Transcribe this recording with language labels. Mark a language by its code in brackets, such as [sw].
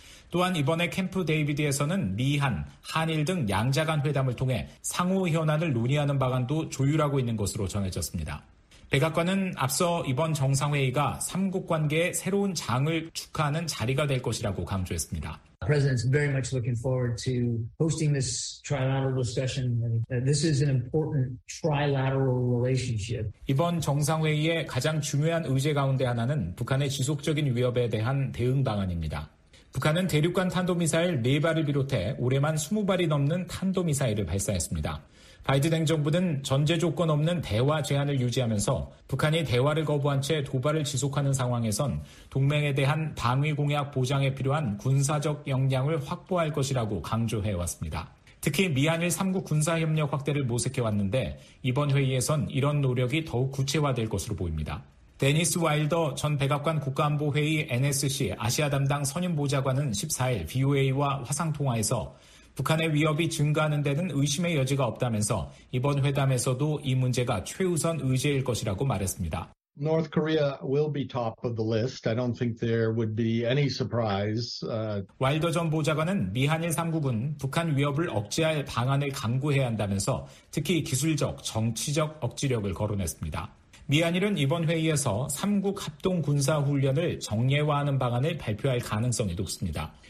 [ko] 또한 이번에 캠프 데이비드에서는 미한, 한일 등 양자간 회담을 통해 상호 현안을 논의하는 방안도 조율하고 있는 것으로 전해졌습니다. 백악관은 앞서 이번 정상회의가 3국 관계의 새로운 장을 축하하는 자리가 될 것이라고 강조했습니다. [en] The president's very much looking forward to hosting this trilateral discussion. This is an important trilateral relationship. [ko] 이번 정상회의의 가장 중요한 의제 가운데 하나는 북한의 지속적인 위협에 대한 대응 방안입니다. 북한은 대륙간 탄도미사일 4발을 비롯해 올해만 20발이 넘는 탄도미사일을 발사했습니다. 바이든 행정부는 전제 조건 없는 대화 제한을 유지하면서 북한이 대화를 거부한 채 도발을 지속하는 상황에선 동맹에 대한 방위 공약 보장에 필요한 군사적 역량을 확보할 것이라고 강조해왔습니다. 특히 미한일 3국 군사협력 확대를 모색해왔는데 이번 회의에선 이런 노력이 더욱 구체화될 것으로 보입니다. 데니스 와일더 전 백악관 국가안보회의 NSC 아시아 담당 선임보좌관은 14일 VOA와 화상통화에서 북한의 위협이 증가하는 데는 의심의 여지가 없다면서 이번 회담에서도 이 문제가 최우선 의제일 것이라고 말했습니다. [en] North Korea will be top of the list. I don't think there would be any surprise. [ko] 와일더 전 보좌관은 미한일 3국은 북한 위협을 억제할 방안을 강구해야 한다면서 특히 기술적, 정치적 억지력을 거론했습니다. 미한일은 이번 회의에서 3국 합동 군사 훈련을 정례화하는 방안을 발표할 가능성이 높습니다.